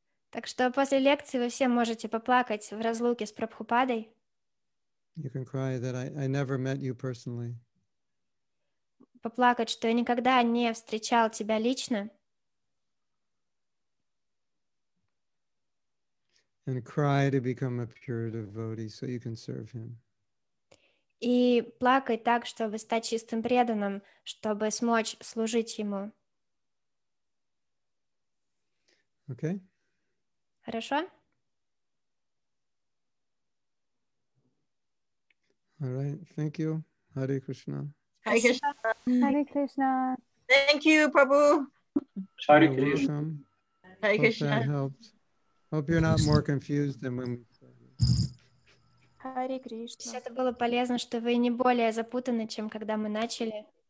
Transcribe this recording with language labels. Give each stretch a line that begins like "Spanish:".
Russian: Так что после лекции вы все можете поплакать в разлуке с Прабхупадой.
English: You can cry that I never met you personally.
Russian: Поплакать, что я никогда не встречал тебя лично.
English: And cry to become a pure devotee so you can serve him.
Russian: И плакать так, чтобы стать чистым преданным, чтобы смочь служить ему.
English: Okay.
Russian: Хорошо.
English: All right. Thank you. Hare Krishna. Hare Krishna. Hare Krishna. Thank you, Prabhu. Hare Krishna. Hare Krishna. Hope that helped. Hope you're not more confused than when. Hare Krishna.
Russian: Все это было полезно, что вы не более запутаны, чем когда мы начали.